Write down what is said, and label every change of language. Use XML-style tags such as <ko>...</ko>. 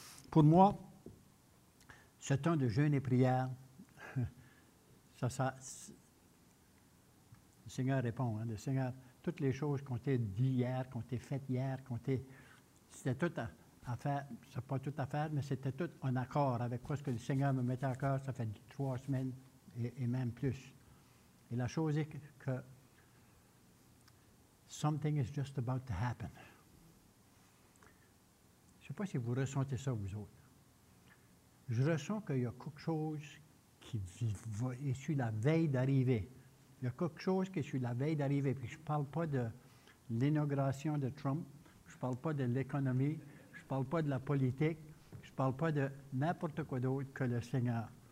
<fr>Pour moi, ce temps de jeûne et prière, le Seigneur répond. Hein, le Seigneur, toutes les choses qu'on t'a dit hier, qu'on t'a faites hier, c'était tout à faire. C'est pas tout à faire, mais c'était tout en accord avec quoi ce que le Seigneur me mettait à cœur. Ça fait 3 semaines et même plus. Et la chose est que</fr> <en>something is just about to happen.</en> <fr>Je ne sais pas si vous ressentez ça, vous autres. Je ressens qu'il y a quelque chose qui est sur la veille d'arriver. Il y a quelque chose qui est sur la veille d'arriver. Puis je ne parle pas de l'inauguration de Trump. Je ne parle pas de l'économie. Je ne parle pas de la politique. Je ne parle pas de n'importe quoi d'autre que le Seigneur.</fr>